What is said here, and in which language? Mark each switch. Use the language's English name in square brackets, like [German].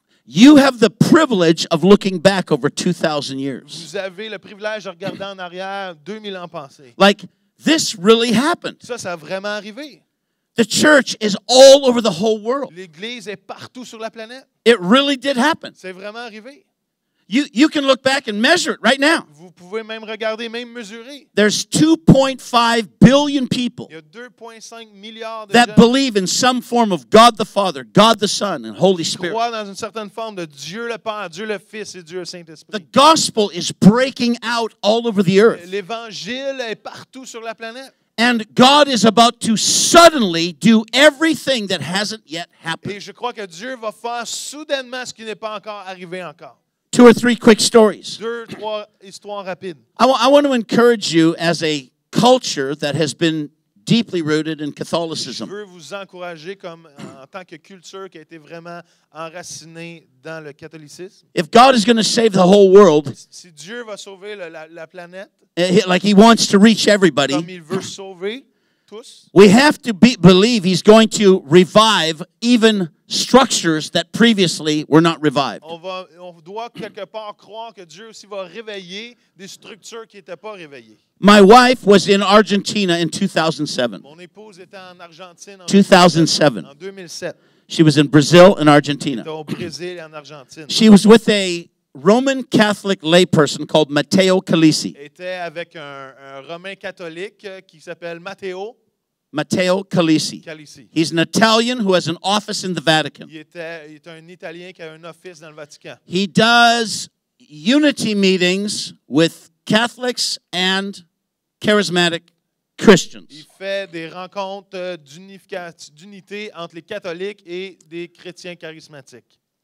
[English] You have the privilege of looking back over 2,000 years. [French] Vous avez le privilège de regarder en arrière 2000 ans passés. [English] Like, this really happened. [French] Ça a vraiment arrivé. [English] The church is all over the whole world. [French] L'église est partout sur la planète. [English] It really did happen. [French] C'est vraiment arrivé. [English] You can look back and measure it right now. [French] Vous pouvez même regarder, même mesurer. [English] There's 2.5 billion people [French] il y a 2.5 milliards de [English] that [French] gens [English] believe in some form of God the Father, God the Son, and Holy Spirit. [French] Croient dans une certaine forme de Dieu le Père, Dieu le Fils et Dieu le Saint-Esprit. [English] The gospel is breaking out all over the earth. [French] L'évangile est partout sur la planète. [English] And God is about to suddenly do everything that hasn't yet happened. [French] Et je crois que Dieu va faire soudainement ce qui n'est pas encore arrivé encore. [English] Two or three quick stories. [French] Deux, trois histoires rapides. [English] I want to encourage you as a culture that has been deeply rooted in Catholicism. [French] Je veux vous encourager comme en tant que culture qui a été vraiment enracinée dans le catholicisme. [English] If God is going to save the whole world, [French] si Dieu va sauver la planète, [English] like he wants to reach everybody, [French] comme il veut sauver tous, [English] we have to believe he's going to revive even structures that previously were not revived. [French] On doit quelque part croire que Dieu aussi va réveiller des structures qui n'étaient pas réveillées. [English] My wife was in Argentina in 2007. [French] Mon épouse était en Argentine en 2007. En 2007. [English] She was in Brazil and Argentina. [French] Au Brésil et en Argentine. [English] She was with a Roman Catholic layperson called Matteo Calisi. [French] Elle était avec un Romain catholique qui s'appelle Matteo. [English] Matteo Calisi. [French] Calisi. [English] He's an Italian who has an office in the Vatican. [French] Il est un Italien qui a un office dans le Vatican. [English] He does unity meetings with Catholics and charismatic Christians. [French] Il fait des rencontres d'unité entre les catholiques et des chrétiens charismatiques.